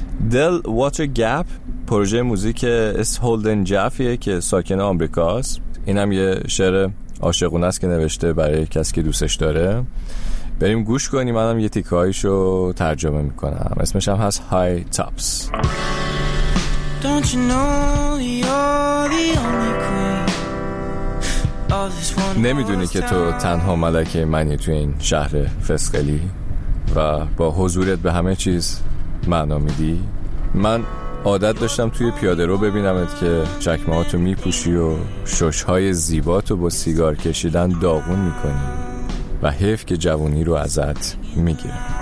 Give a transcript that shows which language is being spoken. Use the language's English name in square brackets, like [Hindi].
[Persian] دل واتر گپ پروژه موزیک اس هولدن جافیه که ساکن آمریکاست. اینم یه شعر عاشقونه است که نوشته برای کسی که دوستش داره. بریم گوش کنیم، منم یه تیکایشو ترجمه میکنم. اسمش هم هست های تاپس. [English] Don't you know you're the only queen. [Persian] نمیدونی که تو تنها ملکه منی تو این شهر فسقلی و با حضورت به همه چیز معنا میدی. من عادت داشتم توی پیاده رو ببینمت که چکمهاتو میپوشی و ششهای زیباتو با سیگار کشیدن داغون میکنی و حیف که جوانی رو ازت میگیره.